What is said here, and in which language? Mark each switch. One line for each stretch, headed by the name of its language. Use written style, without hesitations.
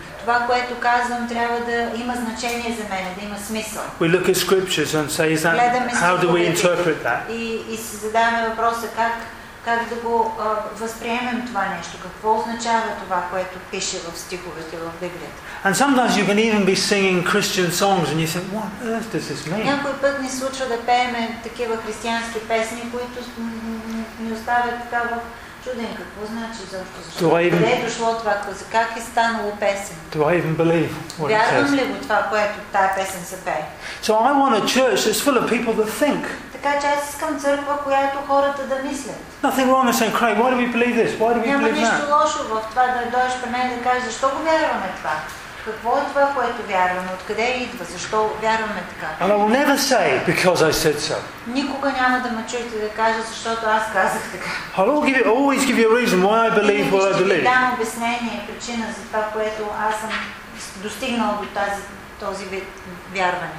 Bulgarian: Това, което казвам, трябва да има значение за мен, да има смисъл.
English: We look at scriptures and say, is that, how do we interpret that?
Bulgarian: И се задаваме въпроса как да го възприемем това нещо, какво означава това, което пише в стиховете в Библията.
English: And sometimes you can even be singing Christian songs and you think, what on earth does this mean?
Bulgarian: Някой път ни случва да пеем такива християнски песни, които ни оставят така в чуден, какво значи защо? Къде е дошло това? Как е станало песен?
English: Do I even believe what it says?
Bulgarian: Вярвам ли го това, което тая песен се пее?
English: So I want a church that's full of people that think.
Bulgarian: Така че аз искам църква, която хората да мислят.
English: Nothing wrong with saying, Craig, why do we believe this? Why do we believe that?
Bulgarian: Няма нищо лошо в това да дойдеш при мен и да кажеш, защо го вярваме това? Какво е това, което вярваме? Откъде идва? Защо вярваме така?
English: And I will never say because I said so.
Bulgarian: Никога няма да ме чуете да кажа защото аз казах така.
English: I'll always give you a reason why I believe what I believe.
Bulgarian: Дам обяснение, причина за това, което аз съм достигнал до този вид вярване.